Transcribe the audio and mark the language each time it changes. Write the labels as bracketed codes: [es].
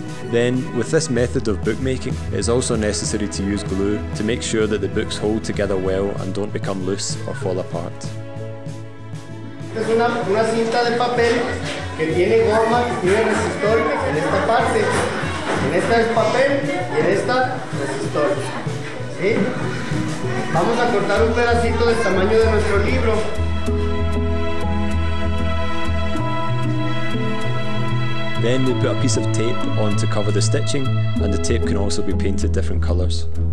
[en] Then, with this method of bookmaking, it is also necessary to use glue to make sure that the books hold together well and don't become loose or fall apart. [es] Es una cinta de papel que tiene goma y tiene resistor en esta parte. En esta es papel y en esta resistor. ¿Sí? Vamos a cortar un pedacito del tamaño de nuestro libro. [en] Then we put a piece of tape on to cover the stitching, and the tape can also be painted different colours.